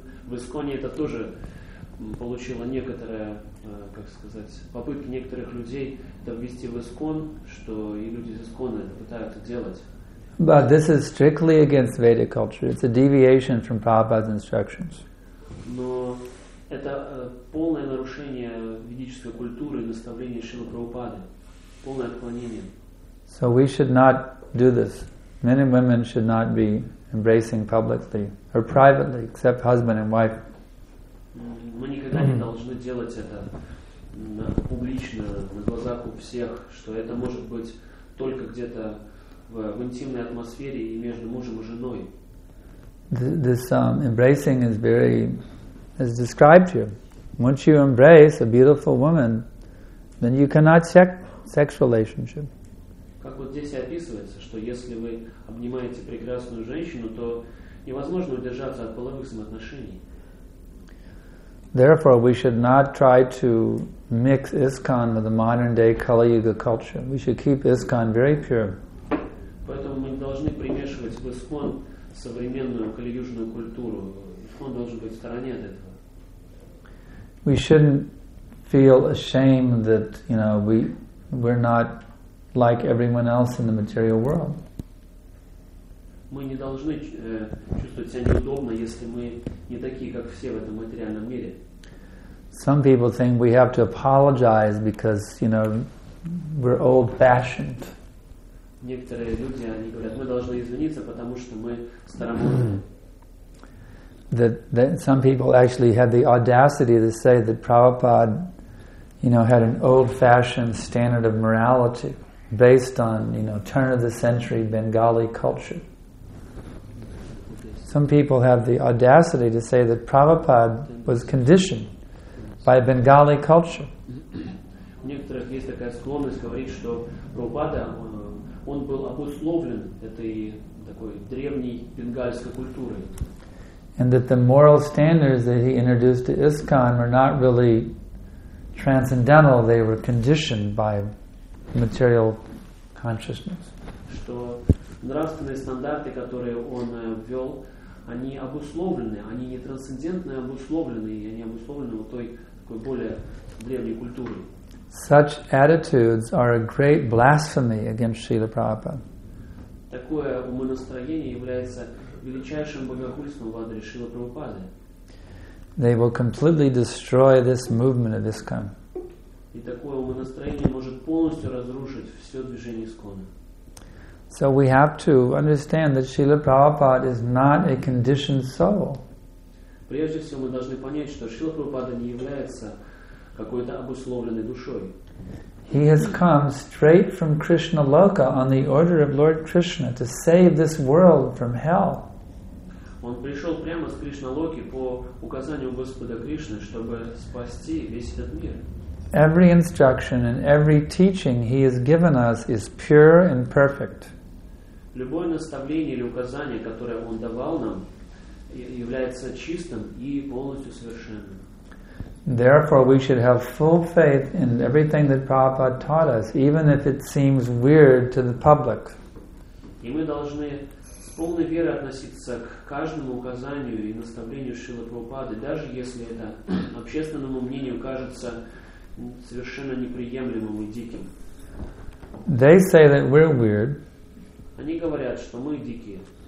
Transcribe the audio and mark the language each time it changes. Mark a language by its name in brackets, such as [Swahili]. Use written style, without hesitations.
[Russian] В ISKCON это тоже получило некоторое, как сказать, попытки некоторых людей это ввести в ISKCON, что и люди из ISKCON это пытаются делать. [English] But this is strictly against Vedic culture. It's a deviation from Prabhupada's instructions. [Russian] Но это полное нарушение ведической культуры и наставления Шрилы Прабхупады. Полное отклонение. [English] So we should not do this. Men and women should not be embracing publicly or privately, except husband and wife. [Russian] Мы никогда не должны делать это публично, на глазах у всех, что это может быть только где-то в интимной атмосфере и между мужем и женой. [English] This embracing is very, as described here. Once you embrace a beautiful woman, then you cannot check sex relationship. [Russian] Как вот здесь и описывается, что если вы обнимаете прекрасную женщину, то невозможно удержаться от половых взаимоотношений. [English] Therefore, we should not try to mix ISKCON with the modern day Kali Yuga culture. We should keep ISKCON very pure. [Russian] Поэтому мы не должны примешивать в ИСКОН современную калиюжную культуру. ИСКОН должен быть в стороне от этого. [English] We shouldn't feel ashamed that, you know, we're not like everyone else in the material world. [Russian] Мы не должны чувствовать себя неудобно, если мы не такие, как все в этом материальном мире. [English] Some people think we have to apologize because, you know, we're old-fashioned. [Russian] Некоторые люди, они говорят, мы должны извиниться, потому что мы старомодные. [English] That some people actually had the audacity to say that Prabhupada, you know, had an old-fashioned standard of morality based on, you know, turn-of-the-century Bengali culture. Some people have the audacity to say that Prabhupada was conditioned by Bengali culture. [Russian] У некоторых есть такая склонность говорить, что Прабхупада, он был обусловлен этой такой древней бенгальской культурой. [English] And that the moral standards that he introduced to ISKCON were not really transcendental, they were conditioned by material consciousness. [Russian] Что нравственные стандарты, которые он ввел, они обусловлены, они не трансцендентные, обусловленные, они обусловлены вот той такой более древней культурой. [English] Such attitudes are a great blasphemy against Srila Prabhupada. [Russian] Такое умонастроение является величайшим богохульством в адрес Шрилы Прабхупады. [English] They will completely destroy this movement of ISKCON. [Russian] И такое умонастроение может полностью разрушить все движение ISKCON. [English] So we have to understand that Srila Prabhupada is not a conditioned soul. [Russian] Прежде всего мы должны понять, что Шрила Прабхупада не является какой-то обусловленной душой. [English] He has come straight from Krishna Loka on the order of Lord Krishna to save this world from hell. [Russian] Он пришел прямо с Кришналоки по указанию Господа Кришны, чтобы спасти весь этот мир. [English] Every instruction and every teaching he has given us is pure and perfect. [Russian] Любое наставление или указание, которое он давал нам, является чистым и полностью совершенным. [English] Therefore, we should have full faith in everything that Prabhupada taught us, even if it seems weird to the public. [Russian] И мы должны с полной верой относиться к каждому указанию и наставлению Шрилы Прабхупады, даже если это общественному мнению кажется совершенно неприемлемым и диким. [English] They say that we're weird. [Russian] Они говорят, что мы дикие.